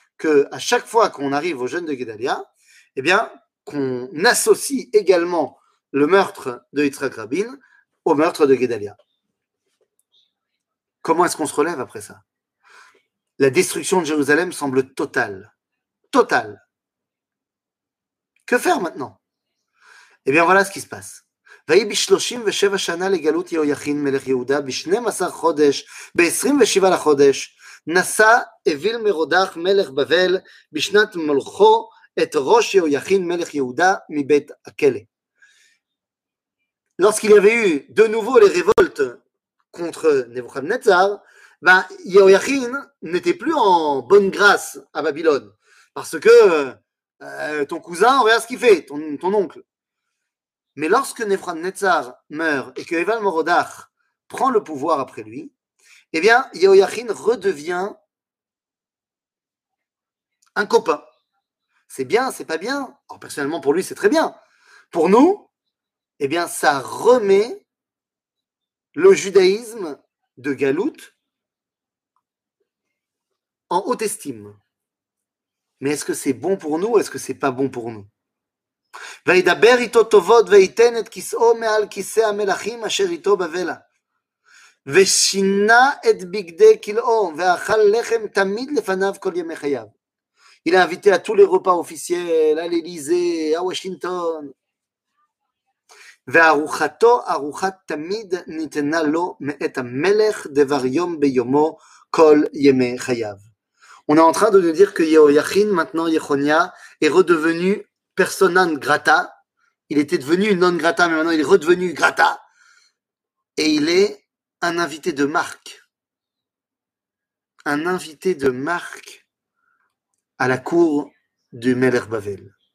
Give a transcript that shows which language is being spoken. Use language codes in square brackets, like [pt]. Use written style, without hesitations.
[fr] Qu'à chaque fois qu'on arrive au jeûne de Gedaliah, eh bien, qu'on associe également le meurtre de Yitzhak Rabin au meurtre de Gedaliah. Comment est-ce qu'on se relève après ça? La destruction de Jérusalem semble totale. Totale. Que faire maintenant? Eh bien, voilà ce qui se passe. [he] ויהי בשלושים ושבע שנה לגלות יהויכין מלך יהודה בשנים עשר חודש בעשרים ושבע לחודש נשא אוויל מרודח מלך בבל בשנת מלכו את ראש יהויכין מלך יהודה מבית הכלא. [fr] Lorsqu'il y avait eu de nouveau les révoltes contre Nebuchadnezzar, Yehoyachin n'était plus en bonne grâce à Babylone parce que ton cousin, regarde ce qu'il fait, ton oncle. Mais lorsque Nebuchadnezzar meurt et que Eval Morodach prend le pouvoir après lui, eh bien, Yehoyachin redevient un copain. C'est bien, c'est pas bien. Alors, personnellement, pour lui, c'est très bien. Pour nous, eh bien, ça remet le judaïsme de Galout en haute estime. Mais est-ce que c'est bon pour nous ou est-ce que c'est pas bon pour nous? [he] וידבר איתו טובות ויתן את כיסאו מעל כיסא המלכים אשר איתו בבלה ושינה את בגדי כלאו ואכל לחם תמיד לפניו כל ימי חייו. [fr] Il a invité à tous les repas officiels, à l'Élysée, à Washington. [he] וארוחתו ארוחת תמיד ניתנה לו מאת המלך דבר יום ביומו כל ימי חייו. [fr] On est en train de nous dire que Yehoyachin, maintenant Yehonia, est redevenu persona grata. Il était devenu non grata, mais maintenant il est redevenu grata. Et il est un invité de marque. Un invité de marque à la cour du Meler Bavel.